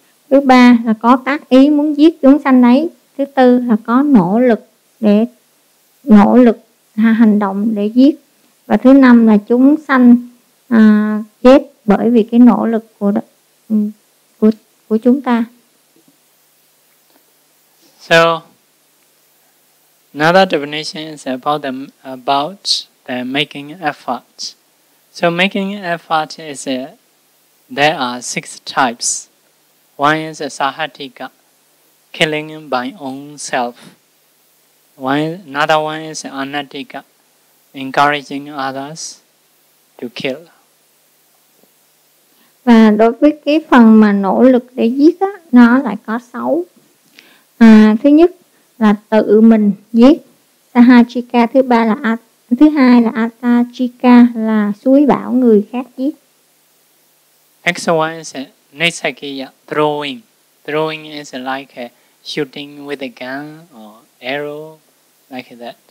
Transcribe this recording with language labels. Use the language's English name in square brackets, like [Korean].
[Vietnamese] Thứ ba là có các ý muốn giết chúng sanh ấy. Thứ tư là có nỗ lực hành động để giết. Và thứ năm là chúng sanh chết bởi vì cái nỗ lực của chúng ta. [English] So another definition is about the making effort. So making effort is there are six types. One is sahatika, killing by own self. Another one is anatika, encouraging others to kill. [Vietnamese] Và đối với cái phần mà nỗ lực để giết á, nó lại có sáu. Thứ nhất là tự mình giết, sahachika. Thứ hai là atachika, là suối bảo người khác giết. [English] Next one is nesakiya, throwing. Throwing is like shooting with a gun or arrow, like that.